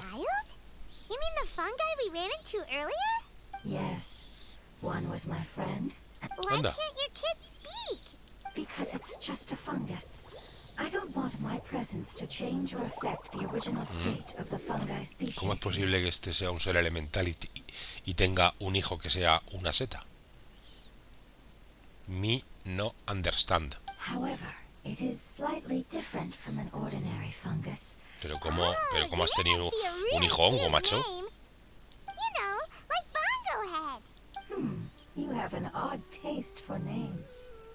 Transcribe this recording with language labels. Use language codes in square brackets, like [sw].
[en] Child? You mean the fungi we ran into earlier? Yes. One was my friend. Why can't your kid speak? Because it's just a fungus. I don't want my presence to change or affect the original state of the fungi species. [es] ¿Cómo es posible que este sea un ser elemental y tenga un hijo que sea una seta? [en] Me no understand. However, it is slightly different from an ordinary fungus. [es] Pero cómo has tenido un hijo hongo, macho? [en] You know, like Bongo Head. You have an odd taste for names.